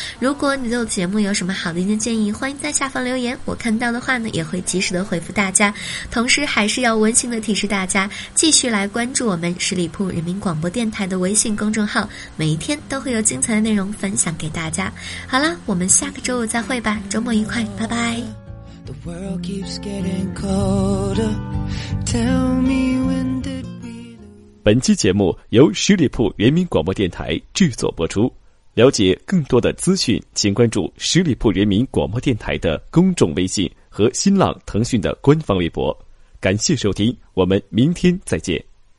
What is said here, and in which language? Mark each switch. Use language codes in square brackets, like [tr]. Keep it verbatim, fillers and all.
[zh] 如果你对我节目有什么好的意见建议，欢迎在下方留言，我看到的话呢也会及时的回复大家。同时还是要温馨的提示大家继续来关注我们十里铺人民广播电台的微信公众号，每一天都会有精彩的内容分享给大家。好啦，我们下个周五再会吧，周末愉快，拜拜。 [en] The world keeps getting colder. Tell me when did we... [zh] 本期节目由十里铺人民广播电台制作播出。了解更多的资讯，请关注十里铺人民广播电台的公众微信和新浪、腾讯的官方微博。感谢收听，我们明天再见。